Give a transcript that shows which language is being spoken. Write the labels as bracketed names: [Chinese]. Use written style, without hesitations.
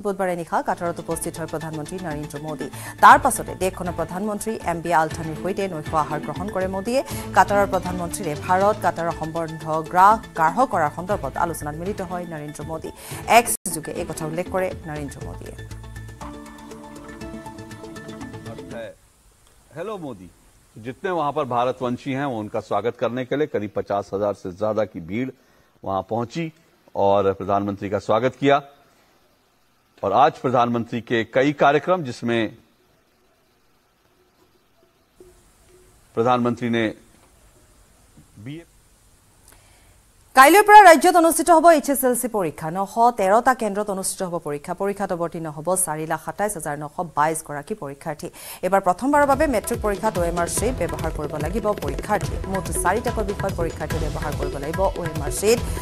[Assamese] বুধবাৰে নিশা কাটাৰত উপস্থিত হয় প্ৰধানমন্ত্ৰী নৰেন্দ্ৰ মোদী। তাৰ পাছতে দেশখনৰ প্ৰধানমন্ত্ৰী এম বি আলথানীৰ সৈতে নৈশ আহাৰ গ্ৰহণ কৰে মোদীয়ে। কাটাৰৰ প্ৰধানমন্ত্ৰীৰে ভাৰত কাটাৰৰ সম্বন্ধ গাঢ় কৰাৰ সন্দৰ্ভত আলোচনাত মিলিত হয় নৰেন্দ্ৰ মোদী। এক্স যোগে এই কথা উল্লেখ কৰে নৰেন্দ্ৰ মোদীয়ে। [Hindi] जितने वहाँ पर भारतवंशी हैं वो उनका स्वागत करने के लिए करीब 50,000 से ज्यादा की भीड़ वहां पहुंची और प्रधानमंत्री का स्वागत किया। और आज प्रधानमंत्री के कई कार्यक्रम जिसमें प्रधानमंत्री ने [Assamese] কাইলৈৰ পৰা ৰাজ্যত অনুষ্ঠিত হ'ব এইচ এছ এল চি পৰীক্ষা। 913টা কেন্দ্ৰত অনুষ্ঠিত হ'ব পৰীক্ষা। পৰীক্ষাত অৱতীৰ্ণ হ'ব 427,922 পৰীক্ষাৰ্থী। এইবাৰ প্ৰথমবাৰৰ বাবে মেট্ৰিক পৰীক্ষাত অ' এম আৰ চিট ব্যৱহাৰ কৰিব লাগিব পৰীক্ষাৰ্থী। মুঠ 4টাকৈ বিষয়ত পৰীক্ষাৰ্থী ব্যৱহাৰ কৰিব লাগিব অ' এম আৰ চিট।